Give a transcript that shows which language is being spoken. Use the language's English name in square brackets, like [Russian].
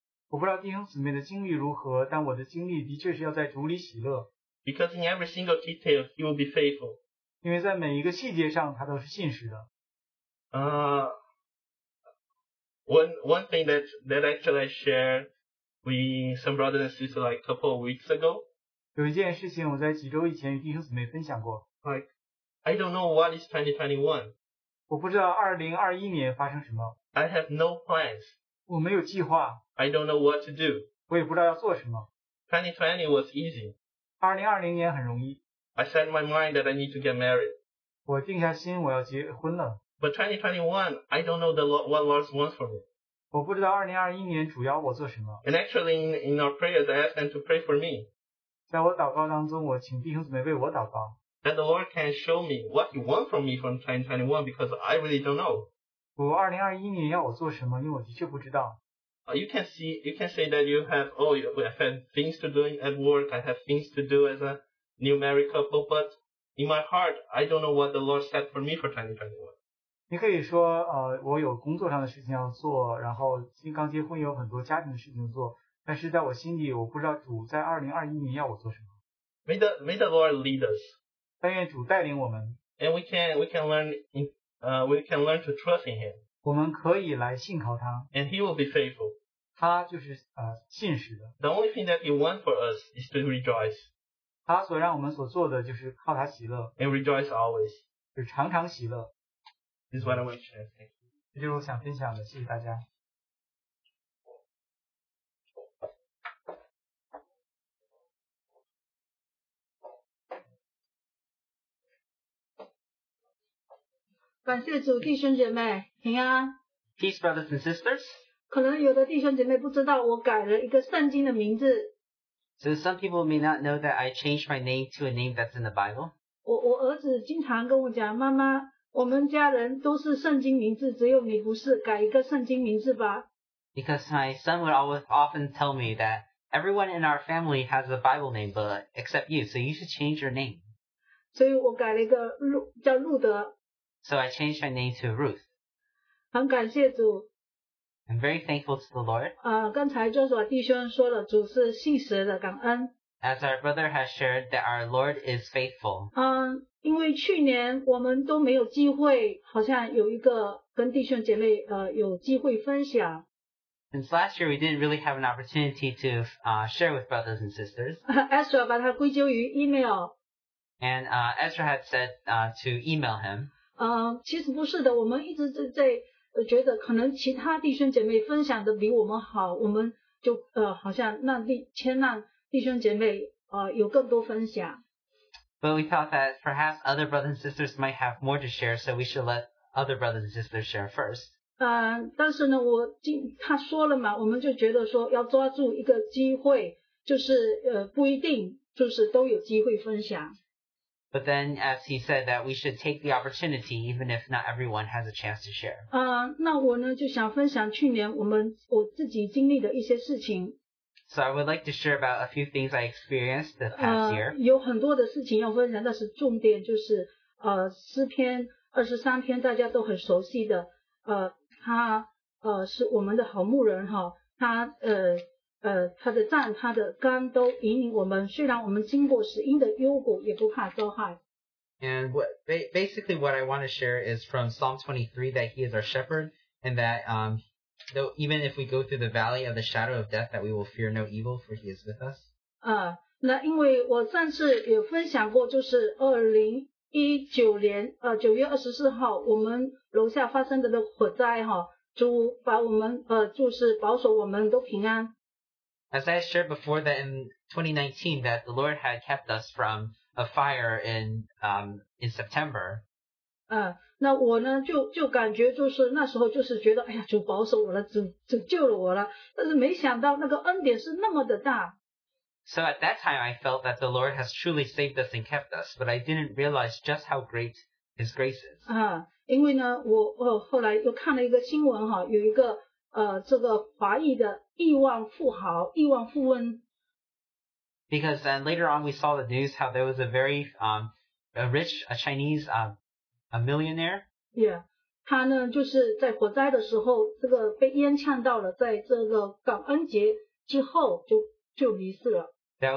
[Chinese] 我不知道弟兄姊妹的经历如何，但我的经历的确是要在主里喜乐。 [English] Because in every single detail, he will be faithful. [Chinese] 因为在每一个细节上他都是信实的。 [English] One thing that actually I shared with some brothers and sisters like a couple of weeks ago. [Chinese] 有一件事情我在几周以前与弟兄姊妹分享过。 [English] Like, I don't know what is 2021. [Chinese] 我不知道2021年发生什么。 [English] I have no plans. [Chinese] 我没有计划。 [English] I don't know what to do. [Chinese] 我也不知道要做什么。 [English] 2020 was easy. [Chinese] 2020年很容易。 [English] I set my mind that I need to get married. [Chinese] 我定下心我要结婚了。 [English] But 2021, I don't know what Lord wants for me. [Chinese] 我不知道2021年主要我做什么。 [English] And actually, in our prayers, I ask them to pray for me. [Chinese] 在我祷告当中，我请弟兄姊妹为我祷告。 [English] That the Lord can show me what He wants from me from 2021, because I really don't know. [Chinese] 我2021年要我做什么，因为我的确不知道。 [English] You can say that you have, I have things to do at work, I have things to do as a new married couple, but in my heart, I don't know what the Lord said for me for 2021. [Chinese] 你可以说我有工作上的事情要做，然后刚结婚有很多家庭的事情做，但是在我心里我不知道主在2021年要我做什么。 [English] May the Lord lead us. [Chinese] 但愿主带领我们。 [English] And we can learn to trust in Him. [Chinese] 我们可以来信靠他。 [English] And He will be faithful. [Chinese] 他就是信实的。 [English] The only thing that He wants for us is to rejoice. [Chinese] 他所让我们所做的就是靠他喜乐。 [English] And rejoice always. [Chinese] 就常常喜乐。 [English] This is what I want to share. Thank you. [Chinese] 这就是我想分享的，谢谢大家。感谢主，弟兄姐妹，平安。 [English] Peace, brothers and sisters. [Chinese] 可能有的弟兄姐妹不知道，我改了一个圣经的名字。 [English] So some people may not know that I changed my name to a name that's in the Bible. [Chinese] 我儿子经常跟我讲，妈妈。我们家人都是圣经名字，只有你不是，改一个圣经名字吧。 [English] Because my son would always often tell me that everyone in our family has a Bible name, but except you, so you should change your name. [Chinese] 所以我改了一个叫路德。 [English] So I changed my name to Ruth. [Chinese] 很感谢主。 [English] I'm very thankful to the Lord. [Chinese] 刚才就是我弟兄说了，主是信实的，感恩。 [English] As our brother has shared that our Lord is faithful. [Chinese] 因为去年我们都没有机会，好像有一个跟弟兄姐妹有机会分享。 [English] Since last year, we didn't really have an opportunity to share with brothers and sisters. [Chinese] Ezra 把它归咎于 email. [English] And Ezra had said to email him. [Chinese] 其实不是的，我们一直在觉得可能其他弟兄姐妹分享的比我们好，我们就好像让弟兄姐妹有更多分享。 [English] But we thought that perhaps other brothers and sisters might have more to share, so we should let other brothers and sisters share first. [Chinese] 但是呢，他说了嘛，我们就觉得说要抓住一个机会，就是不一定就是都有机会分享。 [English] But then, as he said, that we should take the opportunity, even if not everyone has a chance to share. [Chinese] 那我呢就想分享去年我自己经历的一些事情。 [English] So I would like to share about a few things I experienced the past year. [Chinese] 有很多的事情要分享，但是重点就是诗篇23篇大家都很熟悉的他是我们的好牧人哈，他他的杖他的竿都引领我们，虽然我们经过死荫的幽谷也不怕遭害。 [English] And what I want to share is from Psalm 23 that he is our shepherd and that Though even if we go through the valley of the shadow of death, that we will fear no evil, for he is with us. [Chinese] 那因为我上次也分享过，就是2019年9月24号，我们楼下发生的那火灾哈，主把我们就是保守我们都平安。 [English] As I shared before that in 2019, that the Lord had kept us from a fire in September. [Chinese] 那我呢就感觉就是那时候就是觉得哎呀主保守我了主救了我了，但是没想到那个恩典是那么的大。 [English] So at that time I felt that the Lord has truly saved us and kept us, but I didn't realize just how great His grace is. [Chinese] 因为呢我后来又看了一个新闻哈，有一个这个华裔的亿万富翁 [English] Because then later on, we saw the news how there was a very a millionaire. Yeah. [Chinese] 他呢，就是在火灾的时候，这个被烟呛到了，在这个感恩节之后就离世了。That